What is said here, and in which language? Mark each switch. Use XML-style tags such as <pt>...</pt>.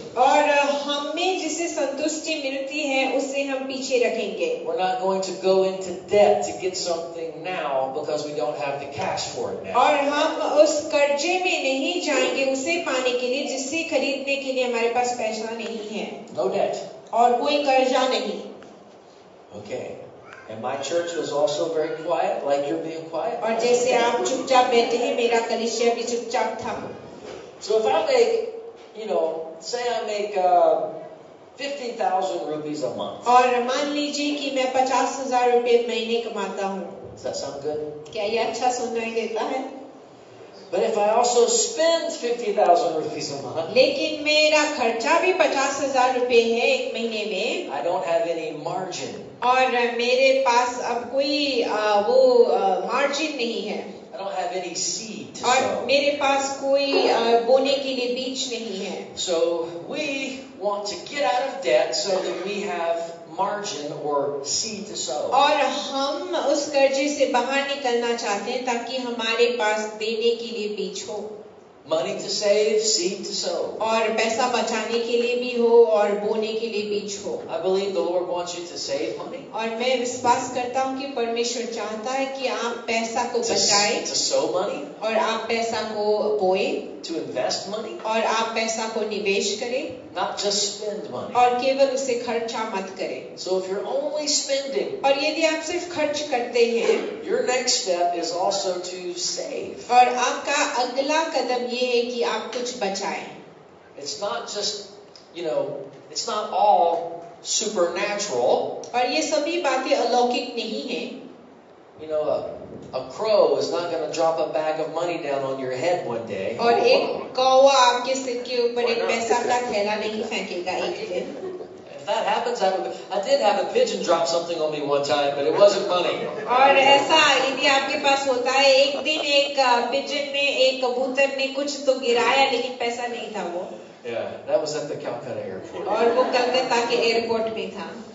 <hi>और हमें जिसे संतुष्टि मिलती है उसे हम पीछे रखेंगे और हम उस कर्जे में नहीं जाएंगे उसे पाने के लिए जिसे खरीदने के लिए हमारे पास पैसा नहीं है</hi> <en>no debt.</en> <hi>और कोई कर्जा नहीं</hi> <en>okay. And my church was also very quiet, like you're being quiet.</en> <hi>और जैसे आप चुपचाप बैठे हैं, मेरा कलीसिया भी चुपचाप था.</hi> <en>So if I make, you know, say I make 50,000 rupees a month.</en> <hi>और मान लीजिए कि मैं 50,000 रुपए महीने कमाता हूँ.</hi> <en>Does that sound good?</en> <hi>क्या ये अच्छा सुनाई देता है?</hi> <en>But if I also spend 50,000 rupees a month,</en> <hi>लेकिन मेरा खर्चा भी 50,000 रुपए है एक महीने में.</hi> <en>I don't have any margin.</en> <hi>और मेरे पास अब कोई वो मार्जिन नहीं है</hi> <en>I don't have any seed,</en> <hi>और</hi> <en>so.</en> <hi>मेरे पास कोई बोने के लिए बीज नहीं है</hi> <en>so we want to get out of debt so that we have margin or seed to sow.</en> <hi>और हम उस कर्जे से बाहर निकलना चाहते हैं ताकि हमारे पास देने के लिए बीज हो</hi> <en>Money to save, seed to sow.</en> <hi>और पैसा बचाने के लिए भी हो और बोने के लिए बीज हो</hi> <en>I believe the Lord wants you to save money.</en> <hi>और मैं विश्वास करता हूँ कि परमेश्वर चाहता है कि आप पैसा को बचाएं</hi> <en>to sow money.</en> <hi>और आप पैसा को बोए</hi> <en>to invest money.</en> <hi>और आप पैसा को निवेश करें</hi> <en>Not just spend money.</en> <hi>और केवल उसे खर्चा मत करें</hi> <en>so if you're only spending,</en> <hi>और यदि आप सिर्फ खर्च करते हैं</hi> <en>your next step is also to save.</en> <hi>और आपका अगला कदम ये है कि आप कुछ बचाएं</hi> <en>it's not just, you know, it's not all supernatural.</en> <hi>और ये सभी बातें अलौकिक नहीं है</hi> <en>You know, a crow is not going to drop a bag of money down on your head one day.</en> <hi>और एक कौवा आपके सिर के ऊपर एक पैसा का थैला नहीं फेंकेगा एक दिन.</hi> <en>If that happens, I did have a pigeon drop something on me one time, but it wasn't money.</en> <hi>और ऐसा यदि आपके पास होता है, एक दिन एक पिजन ने एक कबूतर ने कुछ तो गिराया, लेकिन पैसा नहीं था वो.</hi> <en>Yeah, that was at the Calcutta airport.</en> <hi>और वो कलकत्ता के एयरपोर्ट में था.</hi>